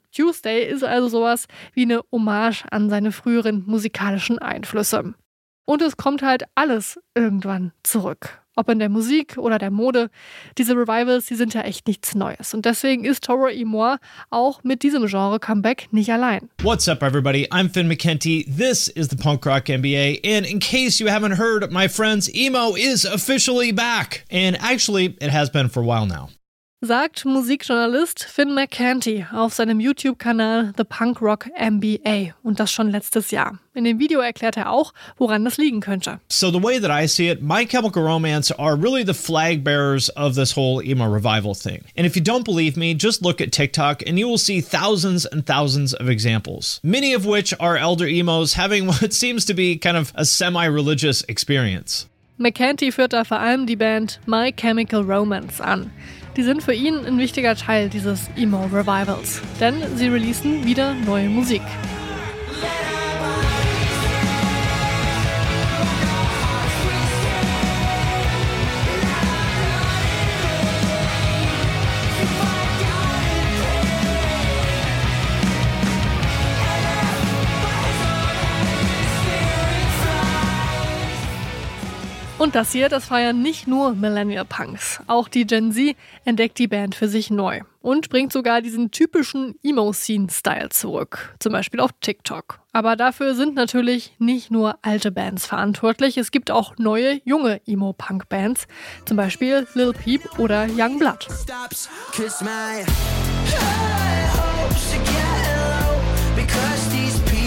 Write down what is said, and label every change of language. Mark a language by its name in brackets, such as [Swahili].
[German] Tuesday ist also sowas wie eine Hommage an seine früheren musikalischen Einflüsse. Und es kommt halt alles irgendwann zurück. Ob in der Musik oder der Mode. Diese Revivals, die sind ja echt nichts Neues. Und deswegen ist Toro Imoa auch mit diesem Genre-Comeback nicht allein. [English] What's up, everybody? I'm Finn McKenty. This is the Punk Rock NBA. And in case you haven't heard, my friends, Emo is officially back. And actually, it has been for a while now. [German] Sagt Musikjournalist Finn McKenty auf seinem YouTube-Kanal The Punk Rock MBA und das schon letztes Jahr. In dem Video erklärt er auch, woran das liegen könnte. [English] So the way that I see it, My Chemical Romance are really the flag bearers of this whole emo revival thing. And if you don't believe me, just look at TikTok and you will see thousands and thousands of examples. Many of which are elder emos having what seems to be kind of a semi-religious experience. [German] McKenty führt da vor allem die Band My Chemical Romance an. Die sind für ihn ein wichtiger Teil dieses Emo-Revivals, denn sie releasen wieder neue Musik. Und das hier, das feiern nicht nur Millennial-Punks. Auch die Gen Z entdeckt die Band für sich neu und bringt sogar diesen typischen Emo-Scene-Style zurück, zum Beispiel auf TikTok. Aber dafür sind natürlich nicht nur alte Bands verantwortlich, es gibt auch neue, junge Emo-Punk-Bands, zum Beispiel Lil Peep oder Youngblood. [English] Stops, kiss my hopes again, because these